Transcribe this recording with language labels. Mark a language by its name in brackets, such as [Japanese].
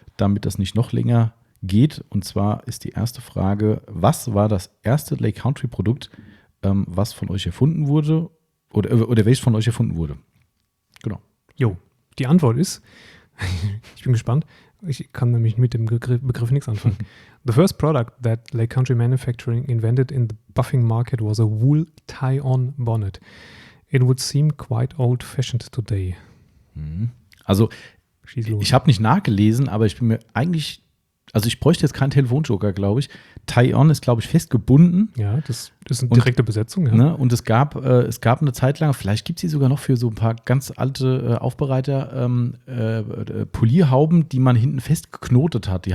[German] damit das nicht noch länger geht. Und zwar ist die erste Frage: Was war das erste Lake Country Produkt, was von euch erfunden wurde? Oder welches von euch erfunden wurde? Genau. Jo, die Antwort ist, ich bin gespannt, ich kann nämlich mit dem Begriff nichts anfangen. [English] The first product that Lake Country Manufacturing invented in the buffing market was a wool tie-on bonnet. It would seem quite old-fashioned today. [German] Also, ich habe nicht nachgelesen, aber ich bin mir eigentlich, also ich bräuchte jetzt keinen Telefonjoker, glaube ich. Tie-on ist, glaube ich, festgebunden. Ja, das ist eine direkte Besetzung. Ja. Ne, und es gab eine Zeit lang, vielleicht gibt es sie sogar noch für so ein paar ganz alte Aufbereiter, Polierhauben, die man hinten festgeknotet hat.